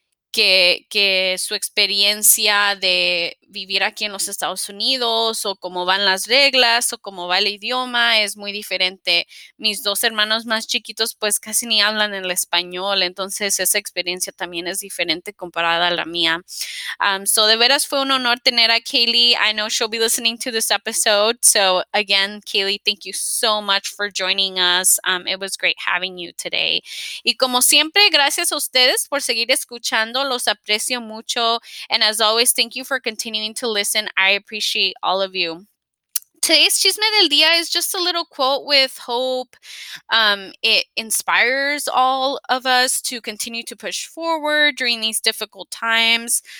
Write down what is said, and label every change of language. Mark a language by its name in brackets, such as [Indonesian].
[Spanish] que su experiencia de vivir aquí en los Estados Unidos o cómo van las reglas o cómo va el idioma es muy diferente. Mis dos hermanos más chiquitos pues casi ni hablan el español, entonces esa experiencia también es diferente comparada a la mía. So de veras fue un honor tener a Kaylee. [English] I know she'll be listening to this episode. So again, Kaylee, thank you so much for joining us. It was great having you today. [Spanish] Y como siempre, gracias a ustedes por seguir escuchando. Los aprecio mucho. [English] And as always, thank you for continuing to listen. I appreciate all of you. Today's Chisme del Día is just a little quote with hope. It inspires all of us to continue to push forward during these difficult times.